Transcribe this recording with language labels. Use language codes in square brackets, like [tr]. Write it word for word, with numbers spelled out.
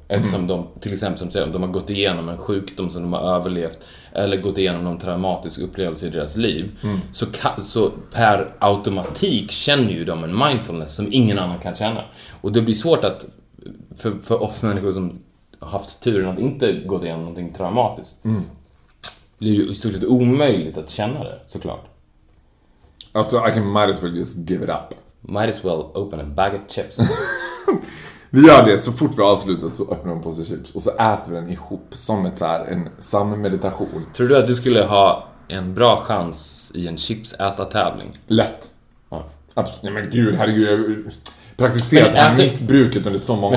[sv] Eftersom de, till exempel som säger, om de har gått igenom en sjukdom som de har överlevt eller gått igenom någon traumatisk upplevelse i deras liv, så, ka, så per automatik känner ju de en mindfulness som ingen annan kan känna. Och det blir svårt att, för, för oss människor som har haft turen att inte gått igenom någonting traumatiskt, blir ju i stort sett omöjligt att känna det, såklart. [en] Alltså I can might as well just give it up. Might as well open a bag of chips. [sv] Vi gör det så fort vi avslutar, så öppnar vi en påse chips och så äter vi den ihop som ett så här, en sammeditation. Tror du att du skulle ha en bra chans i en chipsätartävling? Lätt. Ja. Absolut. Nej men gud, herregud, jag har praktiserat det här äter- missbruket under så många